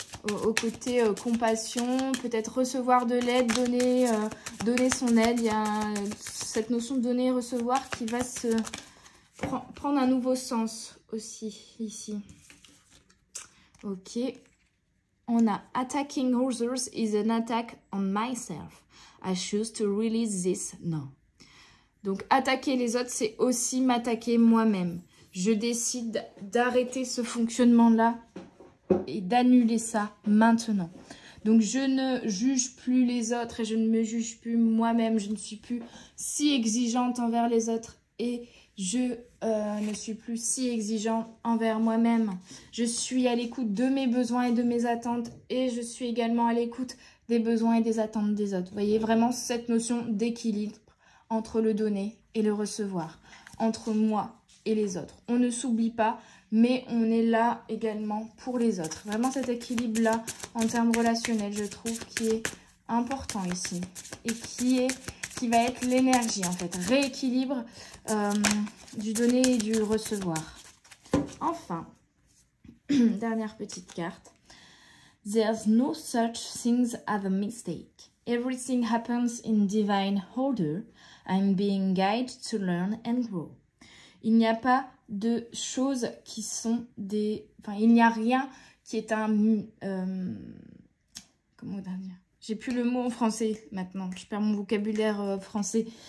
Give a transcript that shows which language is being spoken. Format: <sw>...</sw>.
<fr>Au côté compassion, peut-être recevoir de l'aide, donner son aide. Il y a cette notion de donner et recevoir qui va se prendre un nouveau sens aussi ici. Ok. On a</fr> <en>« Attacking others is an attack on myself. I choose to release this. » Non.</en> <fr>Donc, attaquer les autres, c'est aussi m'attaquer moi-même. Je décide d'arrêter ce fonctionnement-là et d'annuler ça maintenant. Donc, je ne juge plus les autres et je ne me juge plus moi-même. Je ne suis plus si exigeante envers les autres et je ne suis plus si exigeante envers moi-même. Je suis à l'écoute de mes besoins et de mes attentes et je suis également à l'écoute des besoins et des attentes des autres. Vous voyez vraiment cette notion d'équilibre entre le donner et le recevoir, entre moi et les autres. On ne s'oublie pas, mais on est là également pour les autres. Vraiment cet équilibre-là en termes relationnels, je trouve, qui est important ici et qui va être l'énergie, en fait. Rééquilibre du donner et du recevoir. Enfin, dernière petite carte.</fr> <en>There's no such thing as a mistake. Everything happens in divine order. I'm being guided to learn and grow.</en> <fr>Il n'y a pas de choses qui sont des... Enfin, il n'y a rien qui est un... comment on dit ? J'ai plus le mot en français maintenant. Je perds mon vocabulaire français.</fr>